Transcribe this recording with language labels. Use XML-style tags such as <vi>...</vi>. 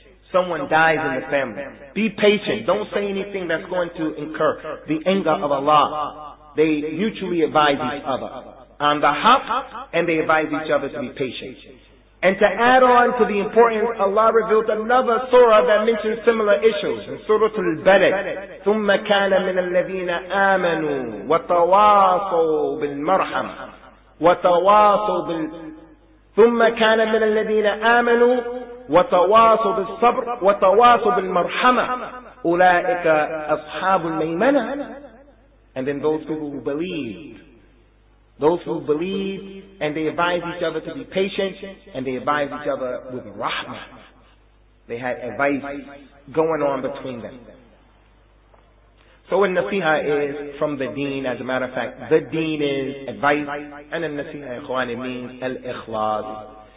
<en>Someone dies in the family. Be patient. Don't say anything that's going to incur the anger of Allah. They mutually advise each other on the haqq, and they advise each other to be patient. And to add on to the importance, Allah revealed another surah that mentions similar issues. In Surah Al-Balad,</en> <ar>ثُمَّ كَانَ مِنَ الَّذِينَ آمَنُوا وَتَوَاصُوا بِالْمَرْحَمَةِ وَتَوَاصُوا بِالْ ثُمَّ كَانَ مِنَ الَّذِينَ آمَنُوا وَتَوَاصُوا بِالصَّبْرِ وَتَوَاصُوا بِالْمَرْحَمَةِ أُولَٰئِكَ أَصْحَابُ الْمَيْمَنَةِ.</ar> <en>And then those people who believed. Those who believe and they advise each other to be patient and they advise each other with rahmah. They had advice going on between them. So when nasiha is from the deen, as a matter of fact, the deen is advice, and in nasiha, ikhwan, it means al-ikhlas.</en>